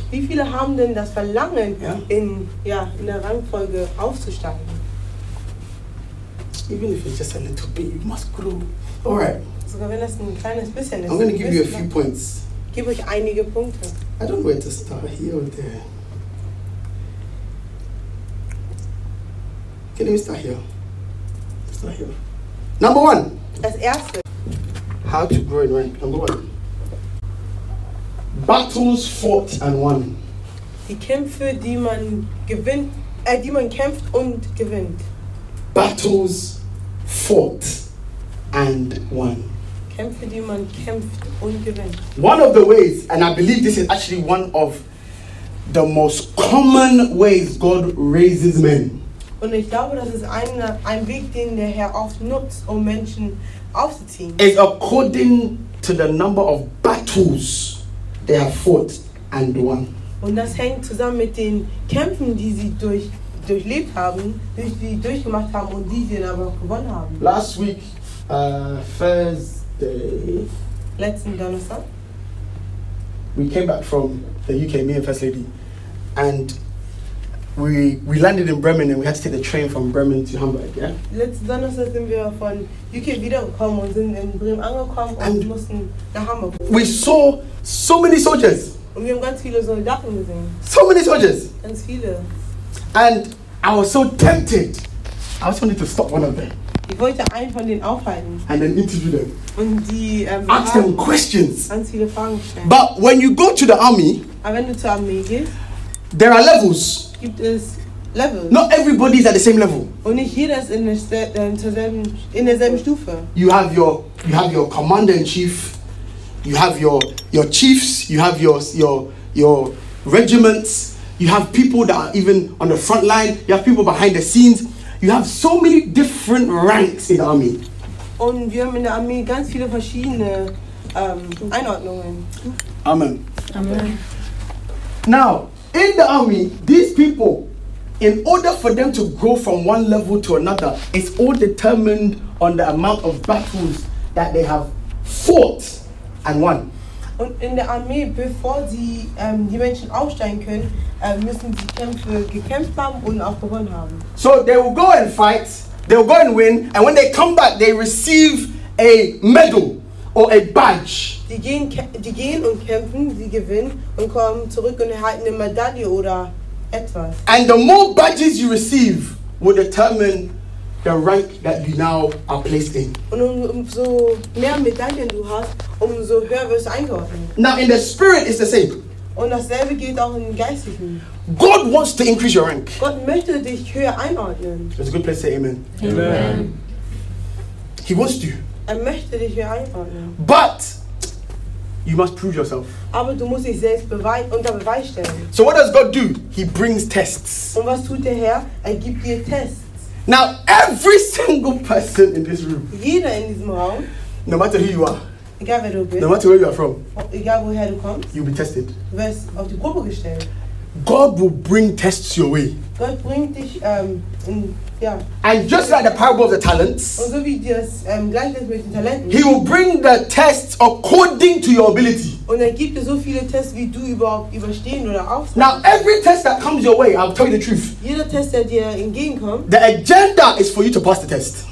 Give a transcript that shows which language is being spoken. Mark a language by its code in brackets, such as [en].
[de] Wie viele haben denn das Verlangen, in der Rangfolge aufzusteigen? [en] Even if it's just a little bit, you must grow. All right. [de] Sogar wenn das ein kleines bisschen ist. [en] I'm going to give you a few points. [de] Gib euch einige Punkte. [en] I don't know where to start, here or there. Okay, let me start here. Number one. [de] Das Erste. [en] How to grow in rank. Number one. Battles fought and won. [de] Die Kämpfe, die man gewinnt, die man kämpft und gewinnt. [en] Battles fought and won. [de] Kämpfe, die man kämpft und gewinnt. [en] One of the ways, and I believe this is actually one of the most common ways God raises men. [de] Und ich glaube, das ist ein Weg, den der Herr oft nutzt, um Menschen [en] is according to the number of battles they have fought and won. [de] Und das hängt zusammen mit den Kämpfen, die sie durchlebt haben, durchgemacht haben und die sie dann aber gewonnen haben. [en] Last week, Thursday. [de] Letzten Donnerstag. [en] We came back from the UK, me and First Lady, and we landed in Bremen and we had to take the train from Bremen to Hamburg, yeah? [de] Letzten Donnerstag sind wir von UK wiedergekommen und sind in Bremen angekommen und mussten nach Hamburg. [en] We saw so many soldiers. [de] Und wir haben ganz viele Soldaten gesehen. [en] So many soldiers. [de] Ganz viele. [en] And I was so tempted. I just wanted to stop one of them. [de] Ich wollte einen von denen aufhalten. [en] And then interview them. [de] Und die [en] ask them questions. [de] Ganz viele Fragen stellen. [en] But when you go to the army, [de] aber wenn du zur Armee gehst, [en] there are levels. [de] Gibt es Levels? [en] Not everybody is at the same level. [de] Und nicht jeder ist in derselben Stufe. [en] You have your commander in chief. You have your chiefs. You have your regiments. You have people that are even on the front line. You have people behind the scenes. You have so many different ranks in the army. [de] Und wir haben in der Armee ganz viele verschiedene Einordnungen. [en] Amen. Amen. Now, in the army, these people, in order for them to grow from one level to another, it's all determined on the amount of battles that they have fought and won. [de] Und in der Armee, bevor die Menschen aufsteigen können, müssen sie Kämpfe gekämpft haben und auch gewonnen haben. [en] So they will go and fight, they will go and win, and when they come back, they receive a medal or a badge. [de] Die gehen und kämpfen, sie gewinnen und kommen zurück und erhalten eine Medaille oder etwas. [en] And the more badges you receive will determine the rank that you now are placed in. [de] Und umso mehr Medaillen du hast, umso höher wirst du eingeordnet. [en] Now in the spirit is the same. [de] Und dasselbe geht auch im Geistigen. [en] God wants to increase your rank. [de] Gott möchte dich höher einordnen. [en] It's a good place to say amen. Amen. He wants you. [de] Er möchte dich höher einordnen. [en] But you must prove yourself. [de] Aber du musst dich selbst unter Beweis stellen. [en] So what does God do? He brings tests. [de] Und was tut der Herr? Er gibt dir Tests. [en] Now every single person in this room. [de] Jeder in diesem Raum. [en] No matter who you are. [de] Egal wer du bist. [en] No matter where you are from. [de] Egal woher du kommst. [en] You'll be tested. [de] Du wirst auf die Probe gestellt. [en] God will bring tests your way. [de] Gott bringt dich [en] And just like the parable of the talents, [de] und so wie das Gleichnis mit den Talenten, [en] he will bring the tests according to your ability. [de] Und er gibt dir so viele Tests, wie du überhaupt überstehen oder aufsteigen. [en] Now every test that comes your way, I'll tell you the truth. [de] Jeder Test, der dir entgegenkommt, [en] the agenda is for you to pass the test.